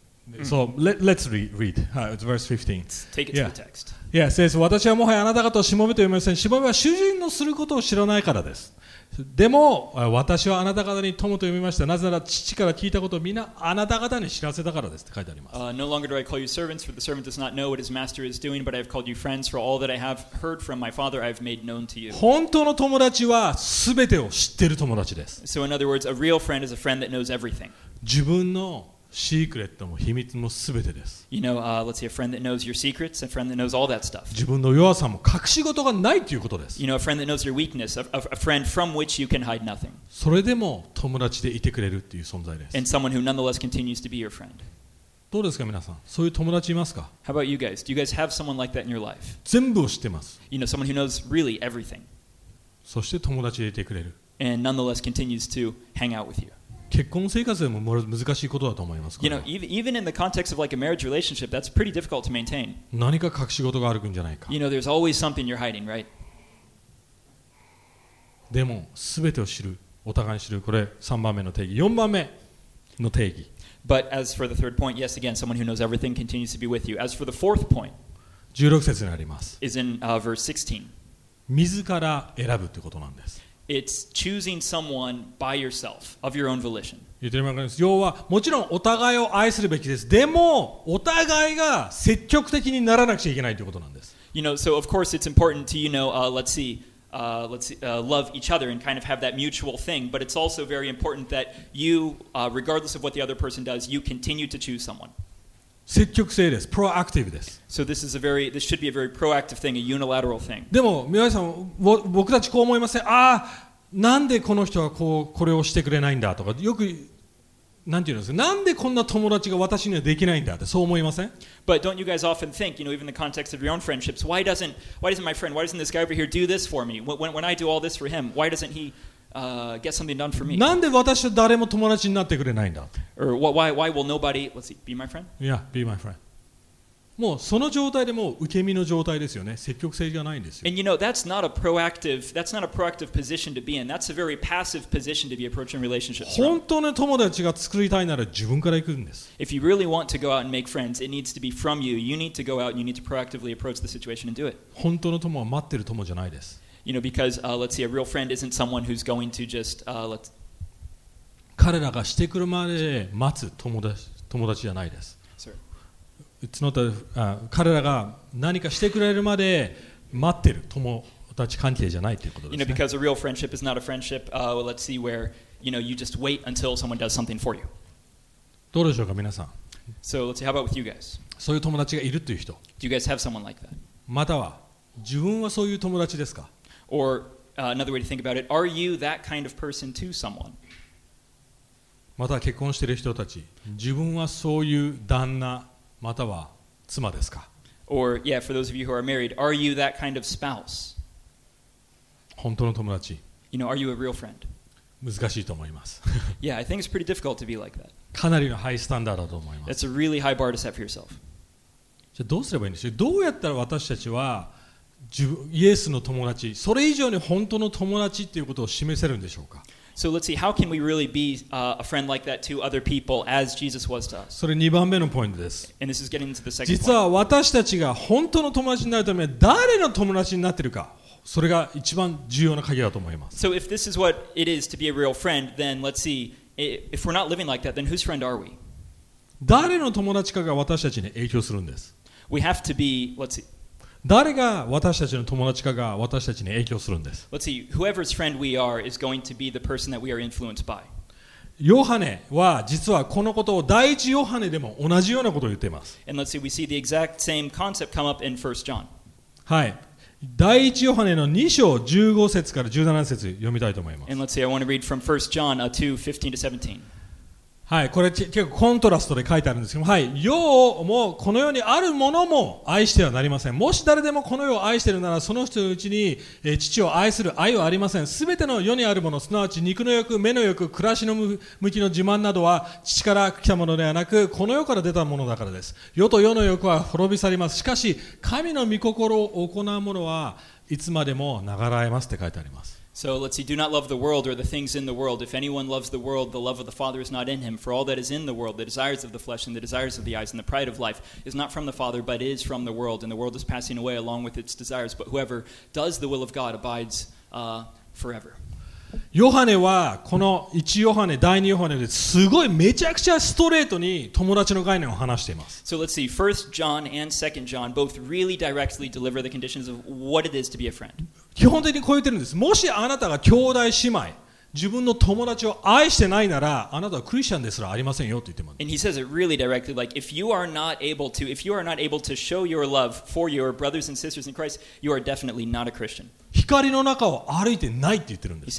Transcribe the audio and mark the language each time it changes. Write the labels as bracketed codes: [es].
[en] Mm-hmm. So let's read verse 15. Take it to the text. Yeah, it says, [ja] 私はもはやあなた方をしもべと呼びません。しもべは主人のすることを知らないからです。でも私はあなた方に友と呼びました。なぜなら父から聞いたことをみんなあなた方に知らせたからですって書いてあります。 [en] No longer do I call you servants, for the servant does not know what his master is doing, but I have called you friends, for all that I have heard from my father I have made known to you. [ja] 本当の友達はすべてを知ってる友達です。 [en] So in other words, a real friend is a friend that knows everything. [ja] 自分のシークレットも秘密もすべてです。 [en] You know, let's see, a friend that knows your secrets, a friend that knows all that stuff. [ja] 自分の弱さも隠し事がないということです。 [en] You know, a friend that knows your weakness, a friend from which you can hide nothing. [ja] それでも友達でいてくれるっていう存在です。 [en] And someone who nonetheless continues to be your friend. [ja] どうですか皆さん、そういう友達いますか。 [en] How about you guys? Do you guys have someone like that in your life? [ja] 全部を知ってます。 [en] You know, someone who knows really everything. [ja] そして友達でいてくれる。 [en] And nonetheless continues to hang out with you. [ja] 結婚生活でも難しいことだと思いますから。 [en] You know, even in the context of like a marriage relationship, that's pretty difficult to maintain. [ja] 何か隠し事があるんじゃないか。 [en] You know, there's always something you're hiding, right? [ja] でも、すべてを知る、お互いに知る、これ3番目の定義。 4番目の定義。 [en] But as for the third point, yes, again, someone who knows everything continues to be with you. As for the fourth point, [ja] 16節にあります。 [en] is in verse 16. [ja] 自ら選ぶということなんです。 [en] It's choosing someone by yourself, of your own volition. [ja] 言ってみます。要はもちろんお互いを愛するべきです。でもお互いが積極的にならなくちゃいけないということなんです。 [en] You know, so of course it's important to, you know, let's see, love each other and kind of have that mutual thing. But it's also very important that you, regardless of what the other person does, you continue to choose someone. [ja] 積極性です。 Proactive です。 [en] So this is a very, this should be a very proactive thing, a unilateral thing. [ja] でも、宮崎さん、僕たちこう思いません。ああ、なんでこの人はこう、これをしてくれないんだとか、よく、なんていうんですか、なんでこんな友達が私にはできないんだって、そう思いません？ [en] But don't you guys often think, you know, even in the context of your own friendships, why doesn't my friend, why doesn't this guy over here do this for me? When I do all this for him, why doesn't he... get something done for me. [ja] なんで私は誰も友達になってくれないんだ [en] Or why will nobody, let's see, be my friend? Yeah, be my friend. [ja] もうその状態でもう受け身の状態ですよね。積極性がないんですよ。 [en] And you know, that's not a proactive position to be in. That's a very passive position to be approaching relationships from. [ja] 本当の友達が作りたいなら自分から行くんです。 [en] If you really want to go out and make friends, it needs to be from you. You need to go out and you need to proactively approach the situation and do it. [ja] 本当の友は待ってる友じゃないです。 [en] You know, because, let's see, a real friend isn't someone who's going to just, let's... [ja] 彼らがしてくるまで待つ友達じゃないです。 [en] Sorry. It's not a, [ja] 彼らが何かしてくれるまで待ってる友達関係じゃないということですね。 [en] You know, because a real friendship is not a friendship, well, let's see, where, you know, you just wait until someone does something for you. [ja] どうでしょうか、皆さん。 [en] So, let's see, how about with you guys? [ja] そういう友達がいるという人。 [en] Do you guys have someone like that? [ja] または、自分はそういう友達ですか？ [en] Or another way to think about it, are you that kind of person to someone? [ja] また結婚している人たち、自分はそういう旦那または妻ですか? [en] Or yeah, for those of you who are married, are you that kind of spouse? [ja] 本当の友達。 [en] You know, are you a real friend? [ja] 難しいと思います。 [en] Yeah, I think it's pretty difficult to be like that. [ja] かなりのハイスタンダードだと思います。 [en] That's a really high bar to set for yourself. [ja] じゃあどうすればいいんでしょう?どうやったら私たちはイエスの友達、それ以上に本当の友達ということを示せるんでしょうか。 [en] So let's see, how can we really be a friend like that to other people as Jesus was to us? [ja] それ2番目のポイントです。 [en] And this is getting into the second point. [ja] 実は私たちが本当の友達になるため誰の友達になっているか、それが一番重要な鍵だと思います。 [en] So if this is what it is to be a real friend, then let's see, if we're not living like that, then whose friend are we? [ja] 誰の友達かが私たちに影響するんです。 [en] We have to be, let's see, [ja] 誰が私たちの友達かが私たちに影響するんです。 [en] Let's see, whoever's friend we are is going to be the person that we are influenced by. [ja] ヨハネは実はこのことを第一ヨハネでも同じようなことを言っています。 [en] And let's see, we see the exact same concept come up in 1 John. [ja] はい。第一ヨハネの2章15節から17節読みたいと思います。 [en] And let's see, I want to read from 1 John 2, 15 to 17. [ja] はい、これ結構コントラストで書いてあるんですけど、はい、世もこの世にあるものも愛してはなりません。もし誰でもこの世を愛しているなら、その人のうちに父を愛する愛はありません。すべての世にあるもの、すなわち肉の欲、目の欲、暮らしの向きの自慢などは父から来たものではなく、この世から出たものだからです。世と世の欲は滅び去ります。しかし神の御心を行うものはいつまでも永らえますって書いてあります。 [en] So let's see, do not love the world or the things in the world. If anyone loves the world, the love of the Father is not in him. For all that is in the world, the desires of the flesh and the desires of the eyes and the pride of life is not from the Father, but is from the world. And the world is passing away along with its desires. But whoever does the will of God abides forever. [ja] ヨハネはこの1ヨハネ、第2ヨハネですごいめちゃくちゃストレートに友達の概念を話しています。 [en] So let's see, 1 John and 2 John both really directly deliver the conditions of what it is to be a friend. [ja] 基本的にこう言ってるんです。もしあなたが兄弟姉妹、自分の友達を愛してないなら、あなたはクリスチャンですらありませんよと言ってます。 [en] And he says it really directly, like if you are not able to show your love for your brothers and sisters in Christ, you are definitely not a Christian. [ja] 光の中を歩いてないって言ってるんです。